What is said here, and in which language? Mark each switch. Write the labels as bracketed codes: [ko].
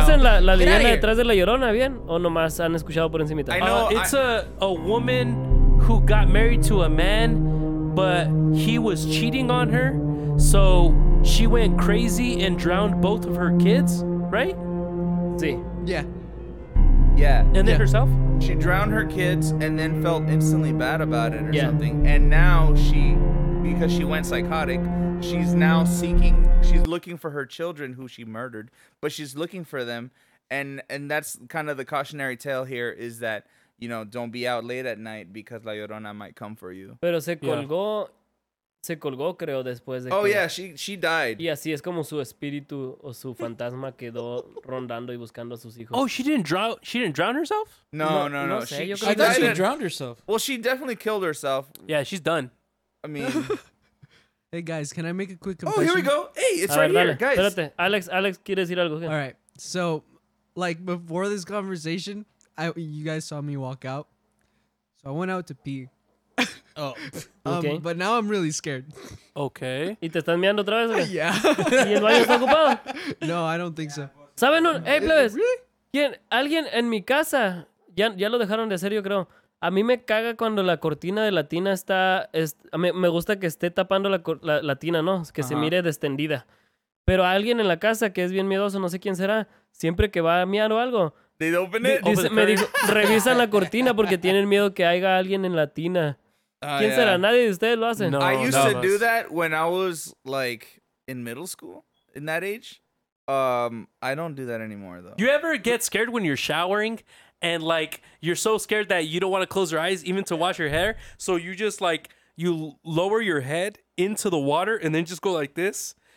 [es] ¿Conocen la leyenda detrás de La Llorona, bien? ¿O nomás han escuchado por encimita? [en] I know. It's a woman who got married to a man, but he was cheating on her, so she went crazy and drowned both of her kids, right? Sí. Yeah. Yeah. And then herself? She drowned her kids and then felt instantly bad about it or something. And now she, because she went psychotic, she's now looking for her children who she murdered, but she's looking for them. And that's kind of the cautionary tale here is that, you know, don't be out late at night because La Llorona might come for you. [es] Pero se colgó, creo, después de que... [en] Oh, yeah, she died. [es] Y así es como su espíritu o su fantasma quedó rondando y buscando a sus hijos. [en] Oh, she didn't drown herself? No. She drowned herself. Well, she definitely killed herself. Yeah, she's done. I mean... Hey, guys, can I make a quick confession? Oh, here we go. Hey, it's a right [es] ver, dale. [en] Guys. [es] Espérate, Alex, ¿quieres decir algo? [en] All right, so, like, before this conversation... you guys saw me walk out, so I went out to pee. Okay. But now I'm really scared. Okay. [es] ¿Y te están mirando otra vez? [en] Yeah. [es] ¿Y el baño está ocupado? [en] No, I don't think so. [es] ¿Saben? Hey, plebes. [en] Really? [es] ¿Quién? Alguien en mi casa. Ya lo dejaron de hacer, yo creo. A mí me caga cuando la cortina de la tina está... me gusta que esté tapando la tina, ¿no? Que se mire destendida. Pero alguien en la casa que es bien miedoso, no sé quién será, siempre que va a mirar o algo... [en] They'd open it? [es] Me dijo, revisan la cortina porque tienen miedo que haya alguien en la tina. ¿Quién será? Nadie de ustedes lo hace. [en] No, I used to do that when I was like in middle school, in that age. I don't do that anymore, though. You ever get scared when you're showering and like you're so scared that you don't want to close your eyes even to wash your hair? So you just like you lower your head into the water and then just go like this